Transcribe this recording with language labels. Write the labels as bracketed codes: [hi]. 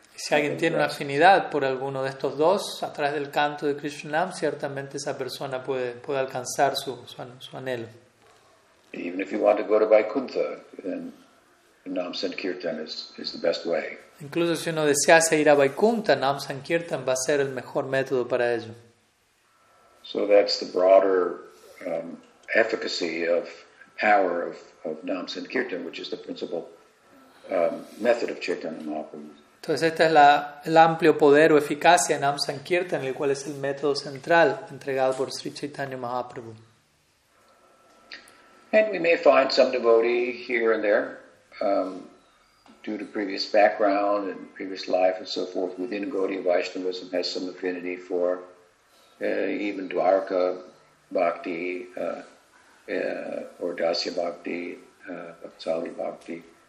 [es] Si alguien tiene una afinidad por alguno de estos dos, a través del canto de Krishna Nam, ciertamente esa persona puede alcanzar su anhelo. [en] Even if you want to go to Vaikuntha, then Nam Sankirtan is the best way. [es] Incluso si uno desease ir a Vaikuntha, Nam Sankirtan va a ser el mejor método para ello. [en] So that's the broader efficacy of power of Nam Sankirtan, which is the principal method of Chaitanya Mahaprabhu. [es] Entonces este es el amplio poder o eficacia en Nam Sankirtan, el cual es el método central entregado por Sri Chaitanya Mahaprabhu. [en] And we may find some devotee here and there, due to previous background and previous life and so forth, within Gaudiya Vaishnavism has some affinity for even Dwarka Bhakti or Dasya Bhakti, Vatsali Bhakti.